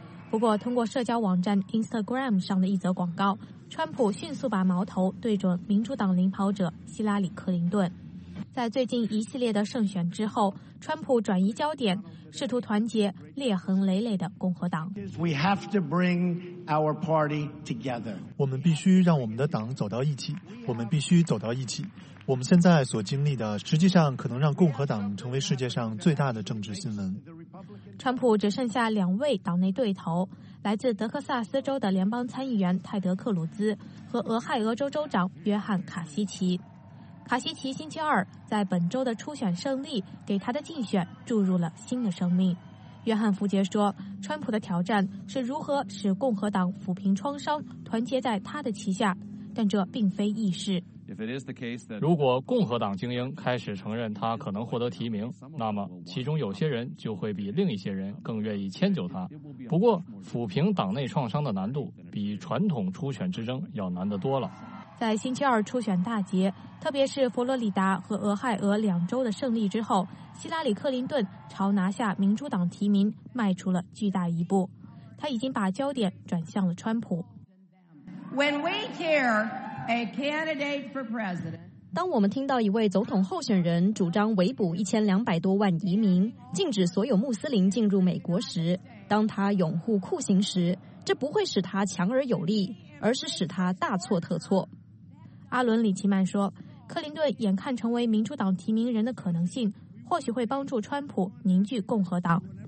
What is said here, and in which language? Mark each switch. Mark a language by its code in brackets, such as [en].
[zh] 不过通过社交网站 Instagram 上的一则广告，川普迅速把矛头对准民主党领跑者希拉里·克林顿。在最近一系列的胜选之后，川普转移焦点，试图团结裂痕累累的共和党。 [en] We have to bring our party together. [zh] 我们必须让我们的党走到一起，我们必须走到一起。我们现在所经历的实际上可能让共和党成为世界上最大的政治新闻。川普只剩下两位党内对头，来自德克萨斯州的联邦参议员泰德·克鲁兹和俄亥俄州州长约翰·卡西奇。卡西奇星期二在本周的初选胜利给他的竞选注入了新的生命。约翰·福杰说，川普的挑战是如何使共和党抚平创伤，团结在他的旗下，但这并非易事。如果共和党精英开始承认他可能获得提名，那么其中有些人就会比另一些人更愿意迁就他。不过抚平党内创伤的难度比传统初选之争要难得多了。在星期二初选大捷，特别是佛罗里达和俄亥俄两州的胜利之后，希拉里·克林顿朝拿下民主党提名迈出了巨大一步。他已经把焦点转向了川普。 [en] When we hear a candidate for president, [zh] 当我们听到一位总统候选人主张围捕1200多万移民，禁止所有穆斯林进入美国时，当他拥护酷刑时，这不会使他强而有力，而是使他大错特错。阿伦·里奇曼说，克林顿眼看成为民主党提名人的可能性或许会帮助川普凝聚共和党。